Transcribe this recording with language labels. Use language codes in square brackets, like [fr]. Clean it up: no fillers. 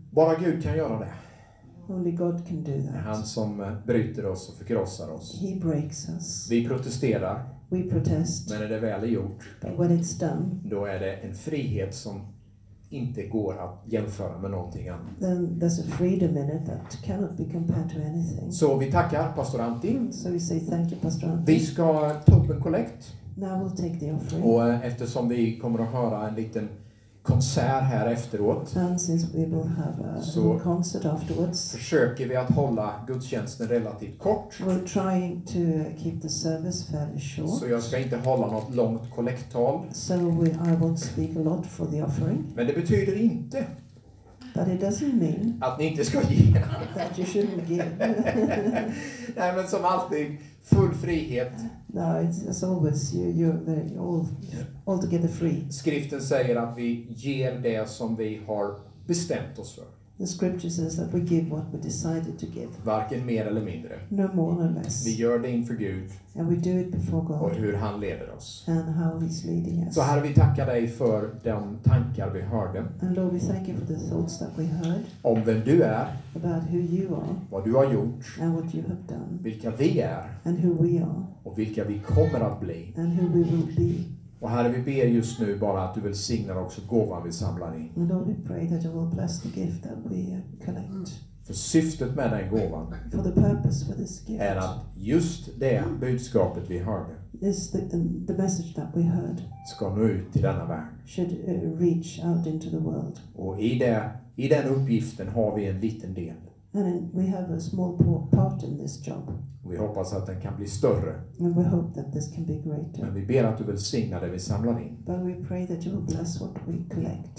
[sv] Bara Gud kan göra det. [en] Only God can do that. [sv] Han som bryter oss och förkrossar oss. [en] He breaks us. [sv] Vi protesterar. [en] We protest. [sv] Men är det väl gjort? [en] But when it's done. [sv] Då är det en frihet som inte går att jämföra med någonting annat. [en] Then there's a freedom in it that cannot be compared to anything. [sv] Så vi tackar Pastor Antti. [en] So we say thank you, Pastor Antti. [sv] Vi ska ta upp en kollekt. [en] Now we'll take the offering. [sv] Och eftersom vi kommer att höra en liten konsert här efteråt. [en] And since we will have a concert afterwards. [sv] Försöker vi att hålla gudstjänsten relativt kort. [en] We're trying to keep the service fairly short. [sv] Så jag ska inte hålla något långt kollekttal. [en] So I won't speak a lot for the offering. [sv] Men det betyder inte. [en] But it doesn't mean. [sv] Att ni inte ska ge. [en] That you shouldn't give. [sv] Nej, men som alltid full frihet. [en] No, it's always you're all together free. [sv] Skriften säger att vi ger det som vi har bestämt oss för. [en] The scripture says that we give what we decided to give. [sv] Varken mer eller mindre. [en] No more or less. [sv] Vi gör det inför Gud. [en] And we do it before God. [sv] Och hur han leder oss. [en] And how he's leading us. [sv] Så här vi tackar dig för de tankar vi hörde. [en] And Lord, we thank you for the thoughts that we heard. [sv] Om vem du är. [en] About who you are. [sv] Vad du har gjort. [en] And what you have done. [sv] Vilka vi är. [en] And who we are. [sv] Och vilka vi kommer att bli. [en] And who we will be. [sv] Och Herre, vi ber just nu bara att du vill signa också gåvan vi samlar in. [en] And Lord, we pray that you will bless the gift that we collect. [sv] För syftet med den gåvan. [en] For the purpose for this gift. [sv] Är att just det budskapet vi hörde. [en] Is the message that we heard. [sv] Ska nå ut till denna värld. [en] Should reach out into the world. [sv] Och i den uppgiften har vi en liten del. [en] And we have a small part in this job. [sv] Vi hoppas att den kan bli större. [en] And we hope that this can be greater. [sv] Men vi ber att du vill välsigna det vi samlar in. [en] But we pray that you will bless what we collect.